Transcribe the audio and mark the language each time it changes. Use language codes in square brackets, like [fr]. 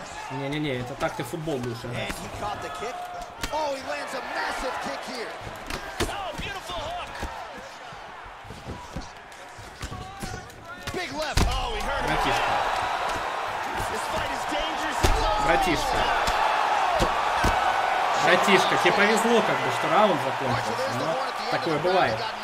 [ru] Не-не-не, это так ты футбол будешь играть. [en] Oh, he lands a massive kick here. Oh, beautiful hook. Big left. Oh, he hurt him. [ru] Братишка. [en] This fight is dangerous. [ru] Братишка. Братишка, тебе повезло, как бы, что раунд закончился. Но такое бывает.